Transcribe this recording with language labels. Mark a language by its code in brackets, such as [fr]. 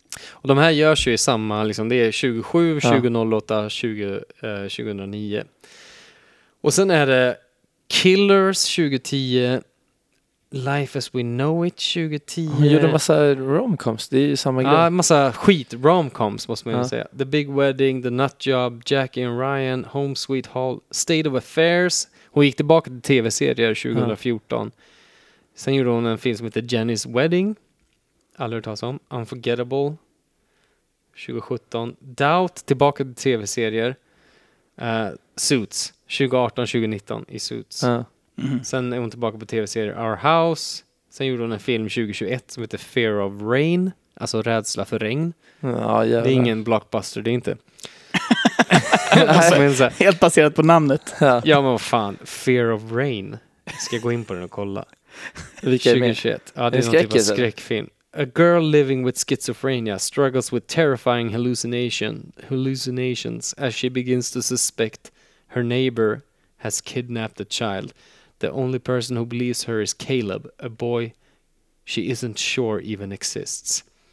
[sv] Och de här görs ju i samma, liksom, det är 2007, ja. 2008, 2009. Och sen är det Killers 2010, Life as we know it 2010. Hon gjorde en massa romcoms, det är ju samma grej. Ja, massa skit romcoms måste man ju säga. [en] The Big Wedding, The Nut Job, Jackie and Ryan, Home Sweet Home, State of Affairs. [sv] Hon gick tillbaka till tv-serier 2014. Ja. Sen gjorde hon en film som heter Jenny's Wedding. Aldrig hört talas om. Unforgettable 2017. Doubt, tillbaka till tv-serier. Suits 2018-2019 i Suits. Mm-hmm. Sen är hon tillbaka på tv-serier Our House. Sen gjorde hon en film 2021 som heter Fear of Rain. Alltså rädsla för regn. Ja, det är ingen blockbuster, det är inte. Alltså, helt baserat på namnet. Ja, men vad fan. Fear of Rain. Ska jag gå in på den och kolla. Vilka 2021. Ja, det är någon typ av skräckfilm. [en] A girl living with schizophrenia struggles with terrifying hallucinations as she begins to suspect her neighbor has kidnapped a child. The only person who believes her is Caleb, a boy she isn't sure even exists.